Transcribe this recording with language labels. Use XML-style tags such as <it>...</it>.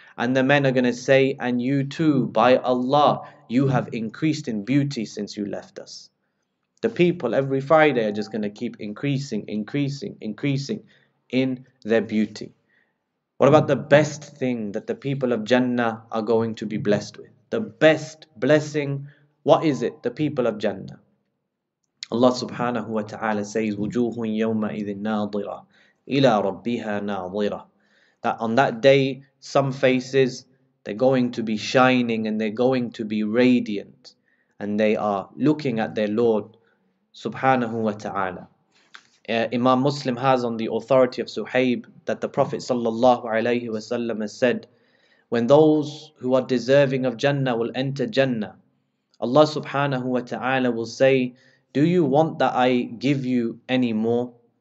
<en>And the men are going to say, and you too, by Allah, you have increased in beauty since you left us. The people every Friday are just going to keep increasing, increasing, increasing in their beauty. What about the best thing that the people of Jannah are going to be blessed with? The best blessing, what is it? The people of Jannah. Allah subhanahu wa ta'ala says,</en> <ar>وَجُوهٌ يَوْمَئِذٍ نَاضِرَةٌ إِلَىٰ رَبِّهَا نَاضِرَةٌ.</ar> <en>That on that day, some faces, they're going to be shining and they're going to be radiant. And they are looking at their Lord subhanahu wa ta'ala. Imam Muslim has on the authority of Suhaib that the Prophet sallallahu alayhi wa sallam has said, when those who are deserving of Jannah will enter Jannah, Allah subhanahu wa ta'ala will say, do you want that I give you any more?</en>